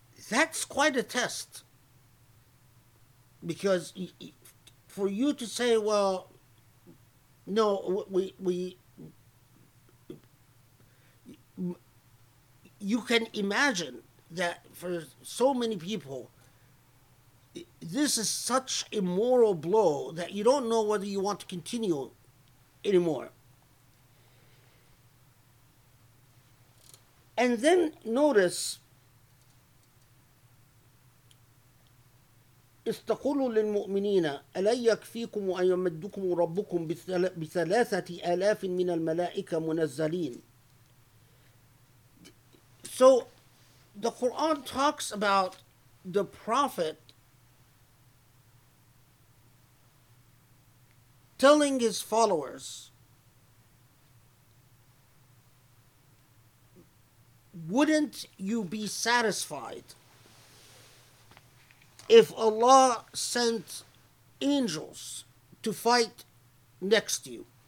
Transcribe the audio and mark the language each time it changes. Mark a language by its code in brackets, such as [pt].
[en] That's quite a test, because for you to say, well, no, you can imagine that for so many people, this is such a moral blow that you don't know whether you want to continue anymore. And then notice, [ar] استقولوا للمؤمنين ألا يكفيكم أن يمدكم ربكم بثلاثة آلاف من الملائكة منزلين. [en] So the Quran talks about the Prophet telling his followers, wouldn't you be satisfied if Allah sent angels to fight next to you?